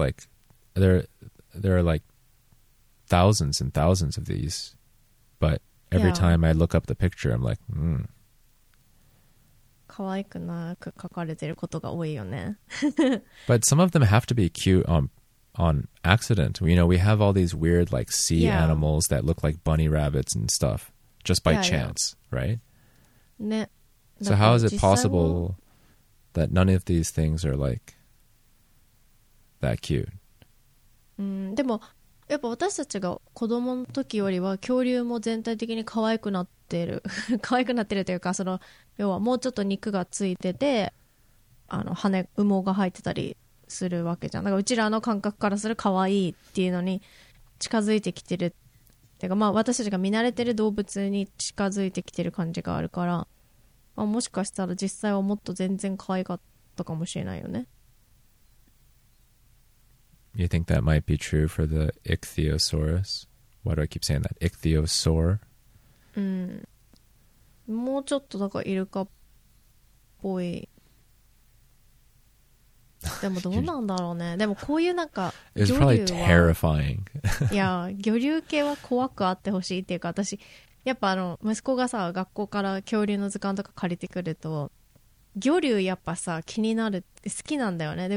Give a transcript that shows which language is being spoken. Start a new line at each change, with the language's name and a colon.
English: Like there are like thousands and thousands of these, but every time I look up the picture I'm like,
Japanese: かわいくなく書かれてることが多いよね。
English: But some of them have to be cute on accident. You know, we have all these weird like sea animals that look like bunny rabbits and stuff just by chance, right?
Japanese: ね。
English: So how is it possible that none of these things are like that cute?
Japanese: でもやっぱ私たちが子供の時よりは恐竜も全体的に可愛くなって可愛くなってるというか、その要はもうちょっと肉がついてて、あの羽羽毛が入ってたりするわけじゃん。だからうちらの感覚からする可愛いっていうのに近づいてきてるっていうか、まあ私たちが見慣れてる動物に近づいてきてる感じがあるから、まあ、もしかしたら実際はもっと全然可愛かったかもしれないよね。
English: You think that might be true for the ichthyosaurus? Why do I keep saying that? Ichthyosaur?
Japanese: もうちょっとなんかイルカっぽい。でもどうなんだろうね。でもこういうなんか魚竜は、
English: It's probably terrifying.
Japanese: いや、魚竜系は怖くあってほしいっていうか、私やっぱあの息子がさ、学校から恐竜の図鑑とか借りてくると、魚竜やっぱさ気になるって好きなんだよね。